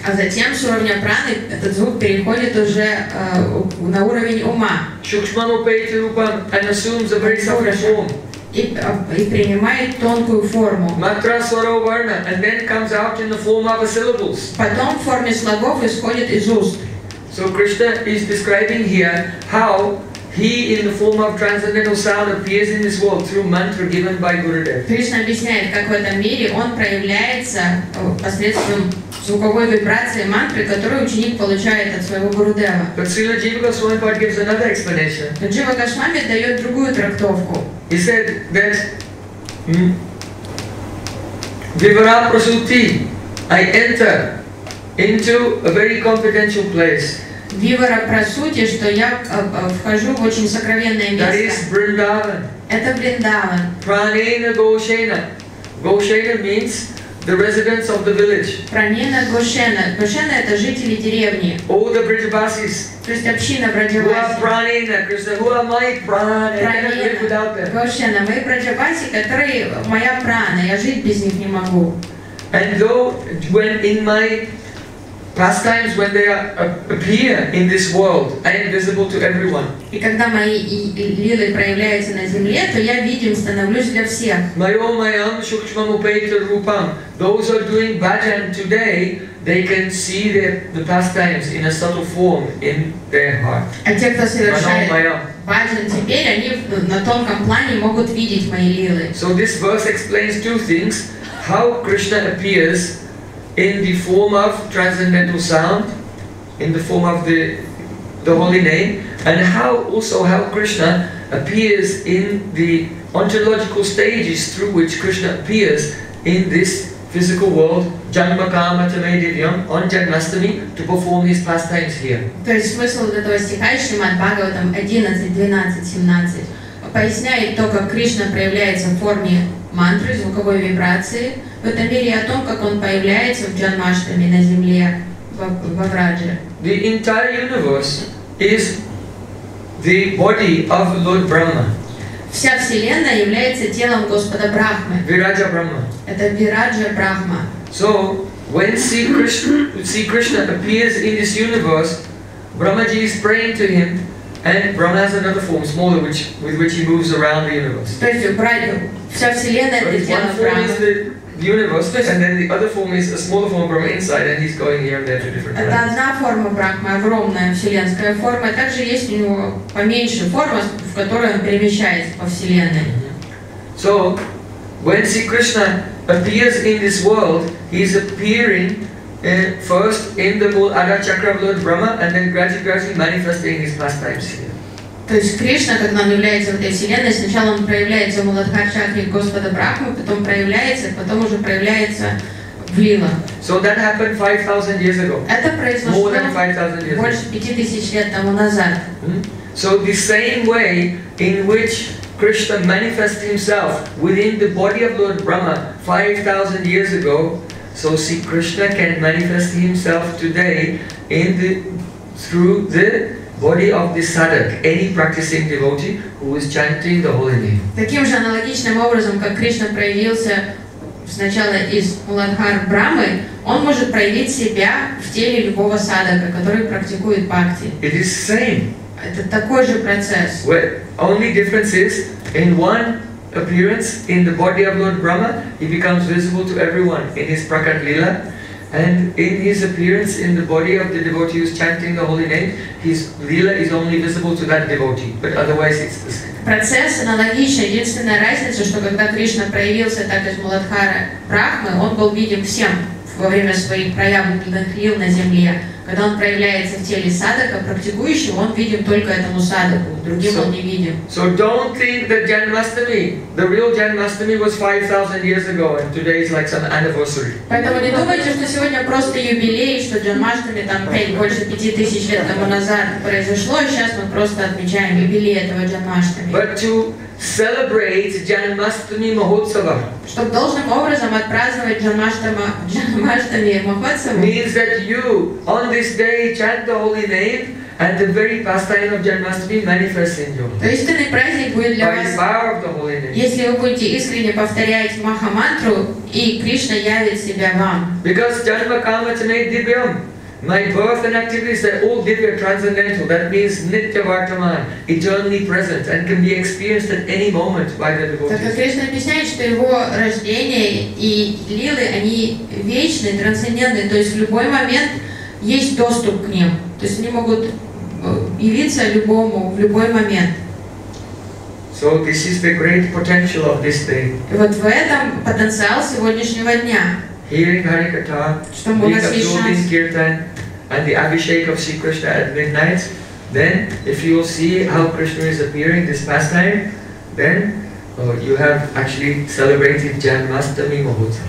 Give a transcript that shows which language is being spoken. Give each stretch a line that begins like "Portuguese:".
Russian: А затем с уровня праны этот звук переходит уже на уровень ума.
Sanskrit: Shukshmano Peti Rupam,
English: and assumes a very subtle form.
Russian: И принимает тонкую форму.
Sanskrit: Matra Swaro Varna,
English: and then comes out in the form of a syllables.
Russian: Потом в форме слогов исходит из уст.
English: So Krishna is describing here how He, in the form of transcendental sound, appears in this world through mantra given by Gurudev.
Russian: Krishna объясняет, как в этом мире он проявляется посредством звуковой вибрации мантры, которую ученик получает от своего Гурудева.
English: But Srila Jiva Goswami gives another explanation.
Russian: Но Джива Гошвами дает другую трактовку.
English: He said that
Sanskrit: Vivara Prasuti,
English: I enter into a very confidential place.
Sanskrit: Вивара прасути,
Russian: что я вхожу в очень сокровенное место.
English: That is Vrindavan.
Russian: Это Вриндаван.
Sanskrit: Pranena Goshena.
English: Goshena means the residents of the village.
Sanskrit: Pranena Goshena.
Russian: Goshena – это жители деревни.
English: All the Vrijabasis.
Russian: То есть община Vrijabasis.
English: Who are Pranena, Krishna? Who are my Pranena?
Russian: Goshena – мои Vrijabasis, которые моя Prana. Я жить без них не могу.
English: And though when in my pastimes, when they appear in this world, I am visible to everyone.
Russian: И когда мои лилы проявляются на земле, то я видим, становлюсь для всех.
Sanskrit: Mayomayam shukshmam upaita rupam.
English: Those who are doing bhajan today, they can see the pastimes in a subtle form in their heart.
Russian: А те, кто совершает bhajan теперь, они на тонком плане могут видеть мои лилы.
English: So this verse explains two things: how Krishna appears in the form of transcendental sound, in the form of the holy name, and how Krishna appears in the ontological stages through which Krishna appears in this physical world,
Sanskrit: janma kama tame divyam,
English: on Janmashtami, to perform his pastimes here.
Russian: То есть смысл этого стиха из Шримад-Бхагаватам 11, 12, 17 поясняет то, как Кришна проявляется в форме мантры, звуковой вибрации в этом мире и о том, как он появляется в Джанмаштами на земле, во Врадже.
English: The entire universe is the body of Lord Brahma.
Russian: Вся Вселенная является телом Господа Брахмы. Вираджа Брахма. Это Вираджа Брахма.
English: So, when Sri Krishna appears in this universe, Brahmaji is praying to him, and Brahma has another form, smaller, with which he moves around the universe.
Russian: То есть, Брахма, вся Вселенная это тело Брахмы.
English: Universe, and then the other form is a smaller form of Brahma inside, and he's going here and there to different planets.
Russian: Это одна форма Брахмы, огромная вселенская форма. Также есть у него поменьше форма, в которой он перемещается по вселенной.
English: So, when Sri Krishna appears in this world, he is appearing first in the Muladhara chakra of Lord Brahma, and then gradually manifesting his pastimes here.
Russian: То есть Кришна, когда он является в этой вселенной, сначала он проявляется в Муладхар-чакре Господа Брахмы, потом уже проявляется в лилах.
English: So that happened 5,000 years ago.
Russian: Это произошло
English: more than 5,000 years ago.
Russian: Больше 5,000 лет тому назад.
English: So the same way in which Krishna manifested himself within the body of Lord Brahma 5,000 years ago, so see, Krishna can manifest himself today in the through the body of the sadhak, any practicing devotee who is chanting the holy name.
Russian: Таким же аналогичным образом, как Кришна проявился сначала из Муладхар Брамы, он может проявить себя в теле любого садака, который практикует бхакти.
English: It is same.
Russian: Это такой же процесс.
English: Well, only difference is in one appearance in the body of Lord Brahma, he becomes visible to everyone in his prakat lila. And in his appearance in the body of the devotee who is chanting the holy name, his lila is only visible to that devotee, but otherwise it's the same.
Russian: Процесс аналогичен. Единственная разница, что когда Кришна проявился так из Муладхара Брахмы, он был виден всем во время своих проявленных лил на земле. Когда он проявляется в теле садака, практикующего, он виден только этому садаку, другим он не виден.
English: So don't think that Janmashtami, the real Janmashtami was 5,000 years ago and today is like some anniversary.
Russian: Поэтому не думайте, что сегодня просто юбилей, что Janmashtami там больше 5000 лет тому назад произошло, и сейчас мы просто отмечаем юбилей этого Janmashtami.
English: But to celebrate Janmashtami Mahotsava.
Russian: Чтобы должным образом отпраздновать Janmashtami Mahotsava.
English: Means that you on this day chant the holy name and the very pastime of Janmashtami manifests in you.
Russian: То есть этот праздник будет для вас.
English: By power of the holy name.
Russian: Если вы будете искренне повторять Маха мантру и Кришна явит себя вам.
English: Because
Sanskrit: Janma Kama Chanay Divyam.
English: My birth and activities are all divya transcendental. That means nitya vartaman, eternally present, and can be experienced at any moment by the devotees.
Russian: Так как Кришна объясняет, что его рождение и лилы они вечны, трансцендентны, то есть в любой момент есть доступ к ним. То есть они могут явиться любому в любой момент.
English: So this is the great potential of this day.
Russian: И вот в этом потенциал сегодняшнего дня.
English: Hearing Harikatha, being kirtan, and the Abhishek of Sri Krishna at midnight, then if you will see how Krishna is appearing this pastime, then you have actually celebrated Janmashtami Mahotsav.